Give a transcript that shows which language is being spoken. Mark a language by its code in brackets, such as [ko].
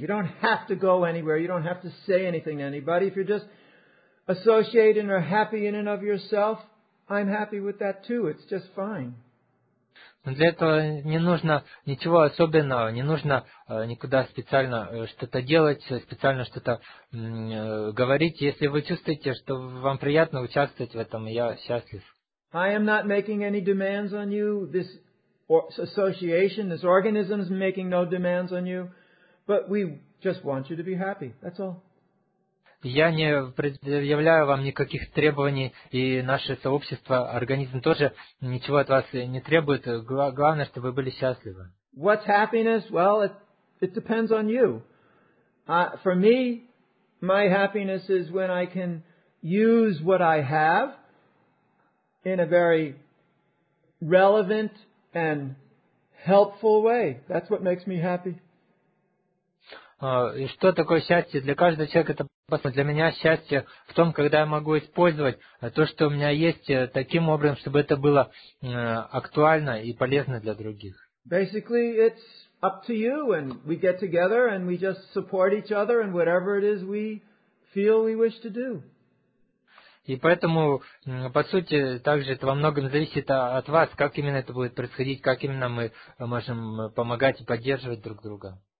[en] You don't have to go anywhere. You don't have to say anything to anybody. If you're just associated or happy in and of yourself, I'm happy with that too. It's just fine. [ru] Но для этого не нужно ничего особенного, не нужно никуда специально что-то делать, специально что-то говорить. Если вы чувствуете, что вам приятно участвовать в этом, я счастлив. [en] I am not making any demands on you. This association, this organism is making no demands on you. But we just want you to be happy. That's all. [ru] Я не предъявляю вам никаких требований, и наше сообщество, организм тоже ничего от вас не требует. Главное, чтобы вы были счастливы. [en] What's happiness? Well, it depends on you. For me, my happiness is when I can use what I have in a very relevant and helpful way. That's what makes me happy. [ru] И что такое счастье? Для каждого человека это по-своему. Для меня счастье в том, когда я могу использовать то, что у меня есть, таким образом, чтобы это было актуально и полезно для других. [en] Basically, it's up to you, and we get together, and we just support each other, and whatever it is we feel we wish to do. [ru] И поэтому, по сути, также это во многом зависит от вас, как именно это будет происходить, как именно мы можем помогать и поддерживать друг друга.